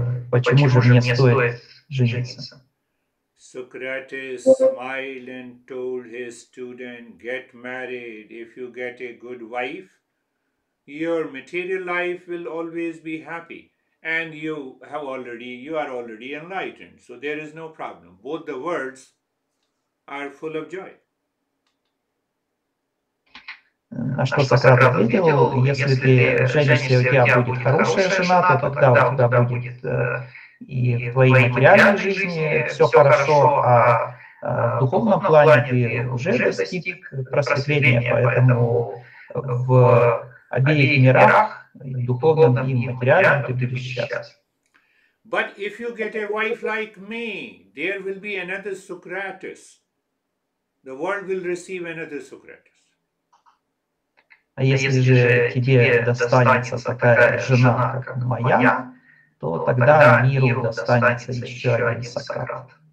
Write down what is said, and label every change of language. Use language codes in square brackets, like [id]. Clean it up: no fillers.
[ru] Почему же мне стоит жениться. [en] Socrates smiled and told his student, get married. If you get a good wife, your material life will always be happy. And you are already enlightened. So there is no problem. Both the words are full of joy. [ru] А что Сократ ответил? Если ты женишься, у тебя будет хорошая жена, то тогда у тебя будет и в твоей материальной жизни все хорошо, а в духовном плане ты уже достиг просветления, поэтому в обеих мирах, и в духовном, и в материальном, ты будешь счастлив. [en] But if you get a wife like me, there will be another Socrates. The world will receive another Socrates. [ru] А если же тебе достанется такая жена, как моя, то тогда миру достанется еще один Сократ.